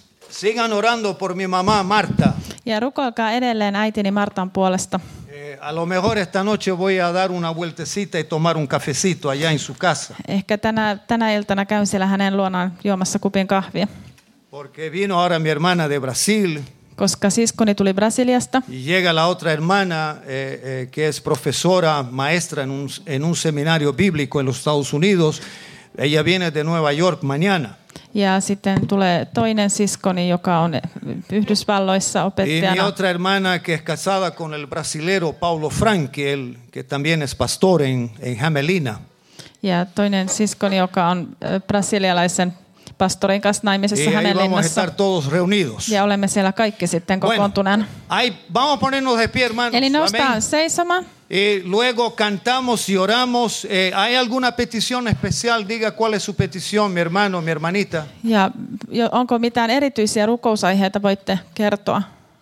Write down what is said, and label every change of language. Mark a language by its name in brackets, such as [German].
[Spanish] Sigan orando por mi mamá Marta. [Finnish] Ja rukoilkaa edelleen äitini Martan puolesta. [Spanish] A lo mejor esta noche voy a dar una vueltecita y tomar un cafecito allá en su casa. [Finnish] Ehkä tänä iltana käyn siellä hänen luonaan juomassa kupin kahvia. [Spanish] Porque vino ahora mi hermana de Brasil. [Finnish] Koska siskoni tuli Brasiliasta. [Spanish] Y llega la otra hermana que es profesora, maestra en un seminario bíblico en los Estados Unidos. Ella viene de Nueva York mañana. [Finnish] Ja sitten tulee toinen siskoni, joka on Yhdysvalloissa opettajana. [Spanish] Y mi otra hermana que es casada con el brasilero Paulo Frankel, que también es pastor en Hamelina. [Finnish] Ja toinen siskoni, joka on brasilialaisen pastorin kanssa naimisessa Hamelinassa. [Spanish] Y vamos a estar todos reunidos. [Finnish] Ja olemme siellä kaikki sitten kokoontuneen. [Spanish] Vamos a ponernos de pie, hermanos. [Finnish] Eli noustaan seisomaan. [Spanish] Y luego cantamos y oramos. ¿Hay alguna petición especial? Diga cuál es su petición, mi hermano, mi hermanita. [Finnish] Ja, onko mitään erityisiä rukousaiheita voitte kertoa?